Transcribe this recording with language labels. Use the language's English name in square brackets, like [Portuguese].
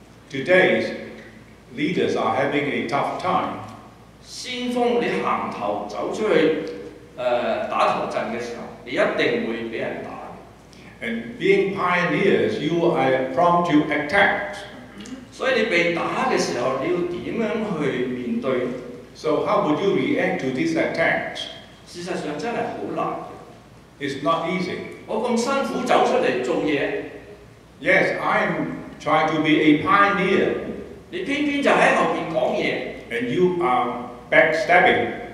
[English] Today's leaders are having a tough time. [Cantonese] 先鋒你行頭走出去打頭陣嘅時候，你一定會俾人打。 [English] And being pioneers, you are prone to attack. [Cantonese] 所以你被打嘅時候，你要點樣去面對？ [English] So how would you react to this attack? [Cantonese] 事實上真係好難。 [English] It's not easy. [Cantonese] 我咁辛苦走出嚟做嘢。 [English] Yes, I'm trying to be a pioneer. [Cantonese] 你偏偏就喺後面講嘢。 [English] And you are backstabbing.